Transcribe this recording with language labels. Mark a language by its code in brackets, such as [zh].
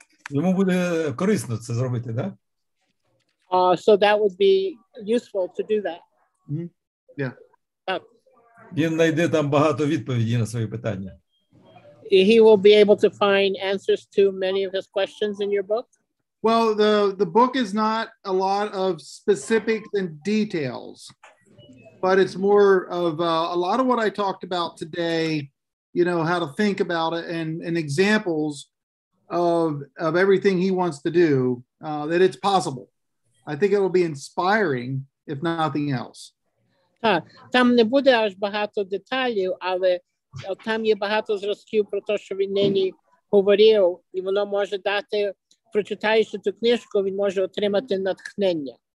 [uk] Йому буде корисно це зробити, да? [en] So that would be useful to do that. Mm-hmm. Yeah. [uk] Він знайде там багато відповідей на свої питання. [en] He will be able to find answers to many of his questions in your book? Well, the book is not a lot of specifics and details. But it's more of a lot of what I talked about today, you know, how to think about it and examples of everything he wants to do, that it's possible. I think it will be inspiring, if nothing else. [uk] Там не буде аж багато деталів, але там є багато зразків про те, що він нині говорив, і воно може дати, прочитаючи цю книжку, він може отримати натхнення.